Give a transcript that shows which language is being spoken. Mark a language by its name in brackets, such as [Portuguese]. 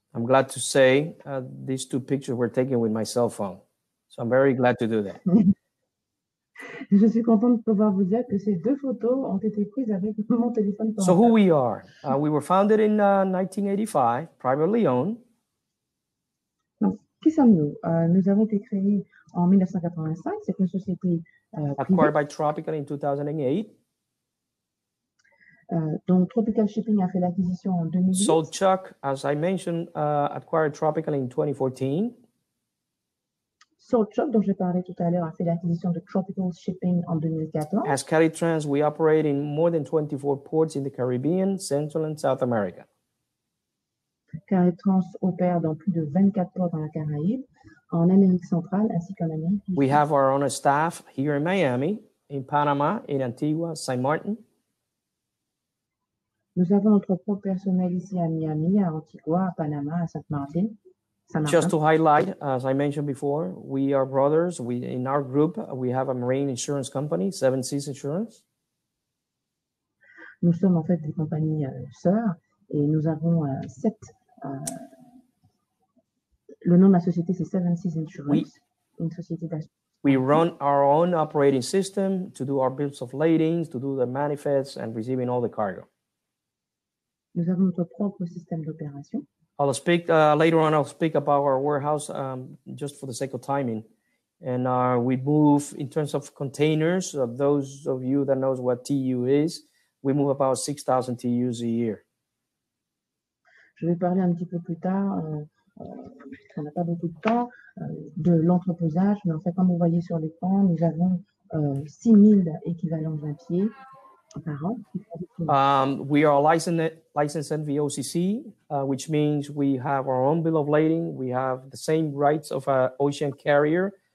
[English] I'm glad to say these two pictures were taken with my cell phone. So I'm very glad to do that. [French] Je suis contente de pouvoir vous dire que ces deux photos ont été prises avec mon téléphone. [English] So who we are? We were founded in 1985, privately owned. [French] Donc, qui sommes-nous? Nous avons été créés en 1985. C'est une société privée. [English] Acquired by Tropical in 2008. [French] Donc Tropical Shipping a fait l'acquisition en 2008. [English] So Chuck, as I mentioned, acquired Tropical in 2014. [French] Saltchuck, dont j'ai parlé tout à l'heure, a fait l'acquisition de Tropical Shipping en 2014. [English] As Caltrans, we operate in more than 24 ports in the Caribbean, Central and South America. [French] Caltrans opère dans plus de 24 ports dans la Caraïbe, en Amérique centrale, ainsi qu'en Amérique du Sud. [English] We have our own staff here in Miami, in Panama, in Antigua, Saint Martin. [French] Nous avons notre propre personnel ici à Miami, à Antigua, à Panama, à Saint Martin. [English] Just to highlight, as I mentioned before, we are brothers. We, in our group, we have a marine insurance company, Seven Seas Insurance. [French] Nous sommes en fait des compagnies sœurs et nous avons sept. Le nom de la société, c'est Seven Seas Insurance, une société d'assurance. [English] We run our own operating system to do our bills of lading, to do the manifests and receiving all the cargo. [French] Nous avons notre propre système d'opération. [English] I'll speak later on. I'll speak about our warehouse just for the sake of timing. And we move in terms of containers. Those of you that knows what TU is, we move about 6,000 TUs a year. [French] Je vais parler un petit peu plus tard. On n'a pas beaucoup de temps de l'entreposage, mais en fait, comme vous voyez sur l'écran, nous avons 6,000 équivalents d'un pied par an. [English] We are licensed and VOCC, which means we have our own bill of lading. We have the same rights of an ocean carrier.